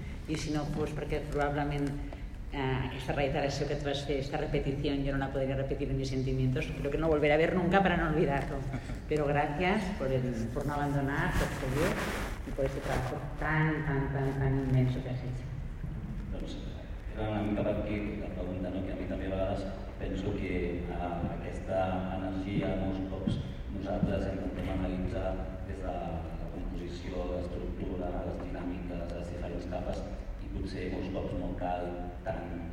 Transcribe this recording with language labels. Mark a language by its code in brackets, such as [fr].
[ca] i si no fos perquè probablement aquesta reiteració que tu vas fer, aquesta repetició, jo no la podria repetir [es] en mis sentimientos. Creo que no volveré a ver nunca para no olvidarlo. Pero gracias por no abandonar, por seguir y por este trabajo tan inmenso que has hecho. [ca] Doncs era una mica per aquí la pregunta, no? Que a mi també a vegades penso que aquesta energia molts cops nosaltres intentem analitzar des de la composició, l'estructura, les dinàmiques, les diferents capes, potser molts cops no cal tant